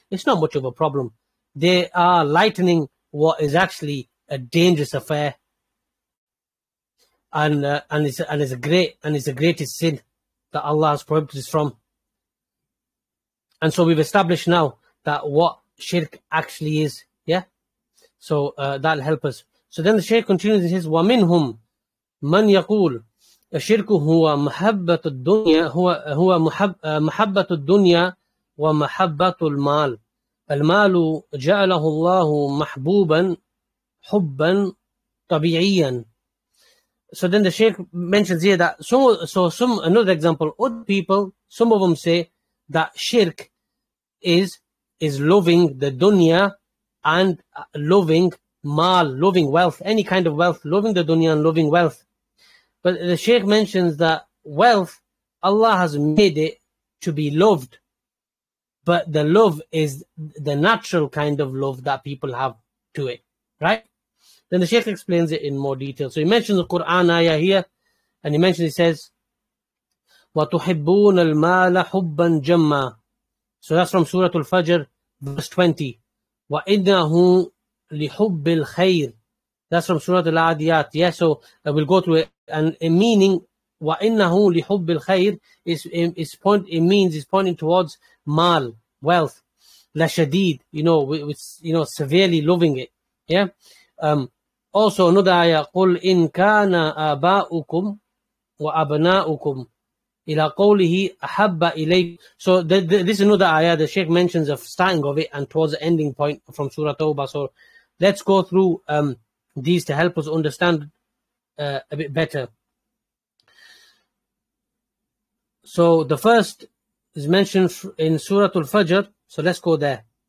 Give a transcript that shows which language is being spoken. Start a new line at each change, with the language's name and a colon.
English: It's not much of a problem. They are lightening what is actually a dangerous affair, and it's the greatest sin that Allah has prohibited us from. And so we've established now that what shirk actually is, yeah? So that'll help us. So then the Shaykh continues and says,
Arabic: وَمِنْهُمْ مَنْ يَقُولُ الشِّرْكُ هُوَ مَحَبَّةُ الدُّنْيَا هُوَ مَحَبَّةُ الدُّنْيَا وَمَحَبَّةُ الْمَالِ الْمَالُ جَعَلَهُ اللَّهُ مَحْبُوبًا حُبًّا طَبِيعِيًا.
English: So then the Shaykh mentions here that another example, other people, some of them say that shirk is loving the dunya and loving mal, loving wealth, any kind of wealth, loving the dunya and loving wealth. But the Shaykh mentions that wealth, Allah has made it to be loved, but the love is the natural kind of love that people have to it, right? Then the Shaykh explains it in more detail. So he mentions the Quran ayah here, and he says,
Arabic: وَتُحِبُّونَ الْمَالَ حُبًّا جَمَّا.
English: So that's from Surah Al-Fajr, verse 20.
Arabic: وَإِنَّهُ لِحُبِّ الْخَيْرِ.
English: That's from Surah Al-Adiyat. Yeah, so we'll go through it. And meaning,
Arabic: وَإِنَّهُ لِحُبِّ الْخَيْرِ
English: is pointing towards mal, wealth.
Arabic: لَشَدِيد.
English: You know, severely loving it. Yeah. Also another ayah,
Arabic: قُلْ إِنْ كَانَ آبَاؤُكُمْ وَأَبْنَاؤُكُمْ إِلَىٰ قَوْلِهِ أَحَبَّ إِلَيْكُمْ.
English: So this is another ayah, the Shaykh mentions the starting of it and towards the ending point from Surah Tawbah. So let's go through these to help us understand a bit better. So the first is mentioned in Surah Al-Fajr. So let's go there.